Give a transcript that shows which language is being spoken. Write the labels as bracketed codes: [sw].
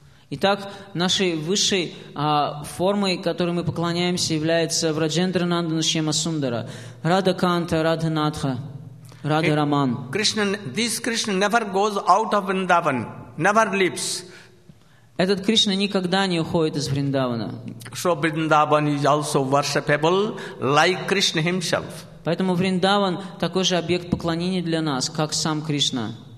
[ru] Итак, нашей высшей формой, которой мы поклоняемся, является Брджендранандан, Шьяма Сундара, Радха Канта, Радханатха, Радхараман. [en] This Krishna never goes out of Vrindavan, never leaves. [ru] Этот Кришна никогда не уходит из Вриндавана. [en] So Vrindavan is also worshipable like Krishna himself. [ru] Поэтому Вриндаван такой же объект поклонения для нас, как сам Кришна.